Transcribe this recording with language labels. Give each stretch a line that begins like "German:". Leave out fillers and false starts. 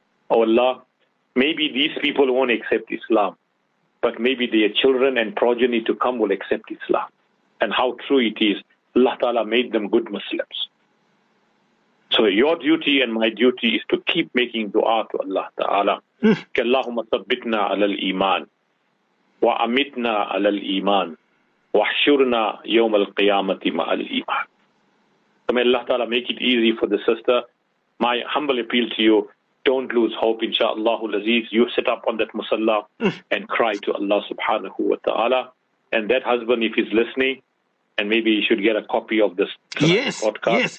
English: Oh Allah, maybe these people won't accept Islam, but maybe their children and progeny to come will accept Islam. And how true it is, Allah Ta'ala made them good Muslims. So your duty and my duty is to keep making dua to Allah Ta'ala.
Arabic: Allahumma sabbitna ala al-iman. وأمتنا على الإيمان وحشرنا يوم القيامة مع الإيمان.
English: May Allah Ta'ala make it easy for the sister. My humble appeal to you, don't lose hope, insha'Allah al-Aziz. You sit up on that musalla and cry to Allah subhanahu wa ta'ala. And that husband, if he's listening, and maybe he should get a copy of this podcast.